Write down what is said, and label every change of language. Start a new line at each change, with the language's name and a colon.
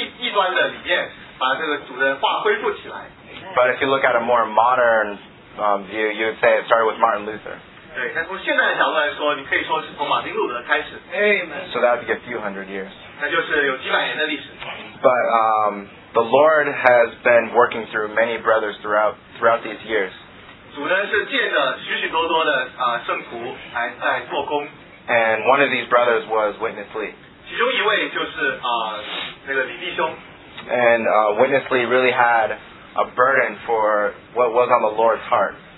Chinese: 从这个使徒们的时代，他们从这个异端的里面把这个主的话恢复起来。
English: But if you look at a more modern view, you would say it started with Martin Luther.
Chinese: 对，但从现在的角度来说，你可以说是从马丁路德开始。Amen.
English: So that would be a few hundred years.
Chinese: 那就是有几百年的历史。
English: But the Lord has been working through many brothers throughout these years.
Chinese: 主呢是借着许许多多的圣徒来做工。
English: And one of these brothers was Witness Lee.
Chinese: 其中一位就是那个李弟兄。
English: And Witness Lee really had a burden for what was on the Lord's heart.